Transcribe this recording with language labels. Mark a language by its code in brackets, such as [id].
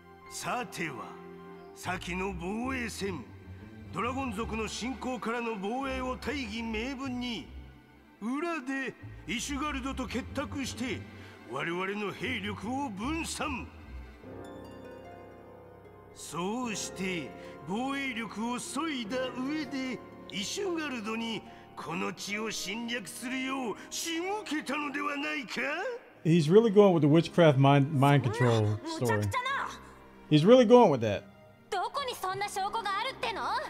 [ja] さては先の防衛戦、ドラゴン族の侵攻からの防衛を大義名分に裏でイシュガルドと結託して我々の兵力を分散。そうして防衛力を削いだ上でイシュガルドにこの地を侵略するよう仕向けたのではないか。 [en] He's really going with the witchcraft mind control story. He's really going with that. [ja] どこにそんな証拠があるっての？